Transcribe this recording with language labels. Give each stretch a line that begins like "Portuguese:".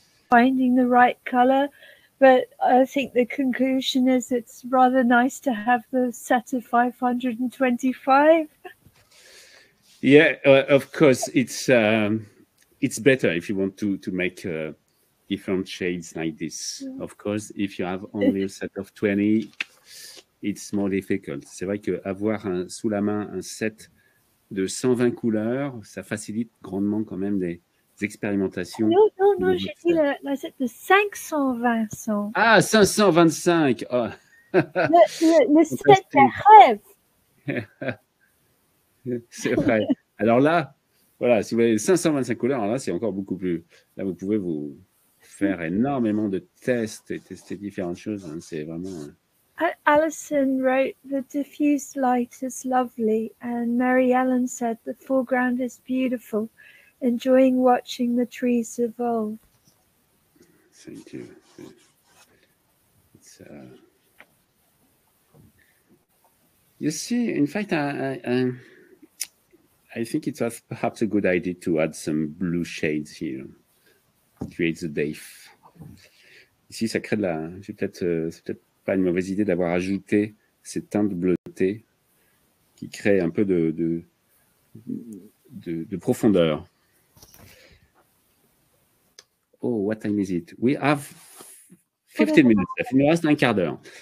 English: Finding the right color, but I think the conclusion is it's rather nice to have the set of 525. Yeah, of course, it's... It's better if you want to make different shades like this. Yeah. Of course, if you have only a set of 20, it's more difficult.
French: C'est vrai que avoir un, sous la main un set de 120 couleurs, ça facilite grandement quand même des expérimentations. Non, j'ai dit le set de 525. Ah, 525. Oh. Le set de rêve. C'est vrai. Alors là, voilà, si vous avez 525 couleurs, là, c'est encore beaucoup plus... Là, vous pouvez vous faire énormément de tests et tester différentes choses. Hein. C'est vraiment...
English: Alison wrote, the diffused light is lovely. And Mary Ellen said, the foreground is beautiful. Enjoying watching the trees evolve. Thank you. You see, in fact, I think it was perhaps a good idea to add some blue shades here. Create the depth.
French: Ici, ça crée de la. C'est peut-être pas une mauvaise idée d'avoir ajouté ces teintes bleutées qui créent un peu de profondeur.
English: Oh, what time is it? We have 15 minutes.
French: Il nous reste un quart d'heure.